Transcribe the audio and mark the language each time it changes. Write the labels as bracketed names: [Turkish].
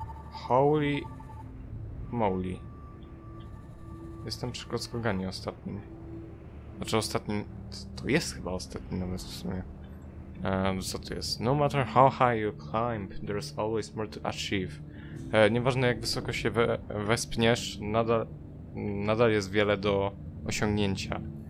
[English] Holy moly. [Polish] Jestem przy kockoganie ostatnim. Znaczy ostatnim... To jest chyba ostatni nawet w sumie. Co to jest? [English] No matter how high you climb, there's always more to achieve. [Polish] Nieważne jak wysoko się wespniesz, nadal jest wiele do osiągnięcia.